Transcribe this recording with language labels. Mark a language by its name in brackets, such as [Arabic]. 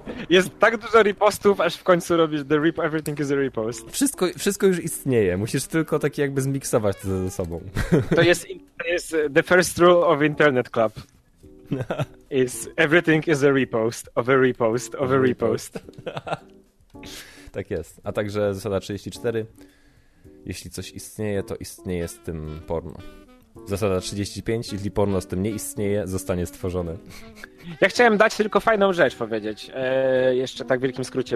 [Polish] Jest tak dużo repostów, aż w końcu robisz [English] the rip, everything is a repost. [Polish] Wszystko już istnieje. Musisz tylko taki jakby zmiksować to ze sobą. To jest [English] the first rule of Internet Club. Is everything is a repost of a repost of a repost. [Polish] Tak jest. A także zasada 34. Jeśli coś istnieje, to istnieje z tym porno. Zasada 35, jeśli porno z tym nie istnieje, zostanie stworzone. Ja chciałem dać tylko fajną rzecz powiedzieć, jeszcze tak w wielkim skrócie.